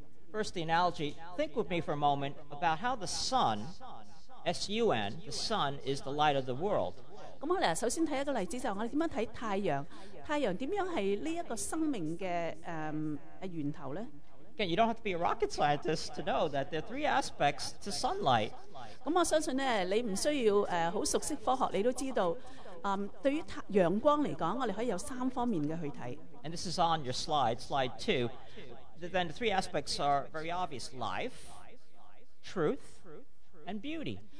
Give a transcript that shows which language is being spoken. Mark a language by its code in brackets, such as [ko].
[en] First, the analogy. Think with me for a moment about how the sun, S-U-N, the sun is the light of the world. [zh] 首先看一個例子，就是我們怎樣看太陽，太陽怎樣是這個生命的源頭呢？ [en] Again, you don't have to be a rocket scientist to know that there are three aspects to sunlight. [zh] 我相信你不需要很熟悉科學，你都知道，對於陽光來講，我們可以有三方面的去看。 [en] And this is on your slide, slide two. Then the three aspects are very obvious: life, truth, and beauty.